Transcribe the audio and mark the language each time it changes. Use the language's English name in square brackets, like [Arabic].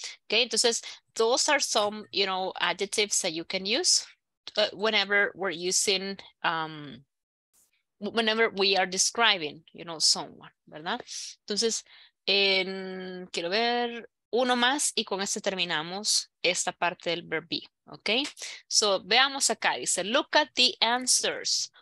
[English] Okay, entonces, those are some, you know, adjectives that you can use whenever we're using, whenever we are describing, you know, someone, ¿verdad? [Spanish] Entonces, quiero ver uno más y con este terminamos esta parte del verb be, okay? [English] So, [Spanish] veamos acá, dice, [English] look at the answers.